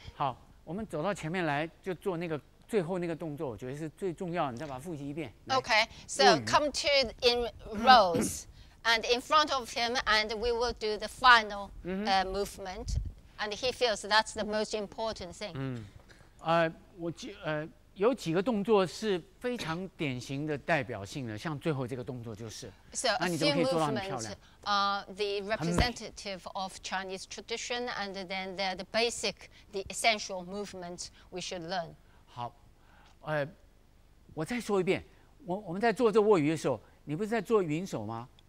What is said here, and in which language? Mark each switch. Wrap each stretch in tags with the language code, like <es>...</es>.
<zh>好，我们走到前面来，就做那个最后那个动作，我觉得是最重要。你再把它复习一遍。</zh> <en>Okay. So come to in rows and in front of him, and we will do the final movement. And he feels that's the most important thing.</en> <zh>有几个动作是非常典型的代表性的，像最后这个动作就是。</zh> <en>So,</en> <zh>那你怎么可以做到很漂亮？</zh> <en>The representative of Chinese tradition, and then the basic, the essential movement we should learn.</en> <zh>好，我再说一遍，我们在做这卧鱼的时候，你不是在做云手吗？</zh>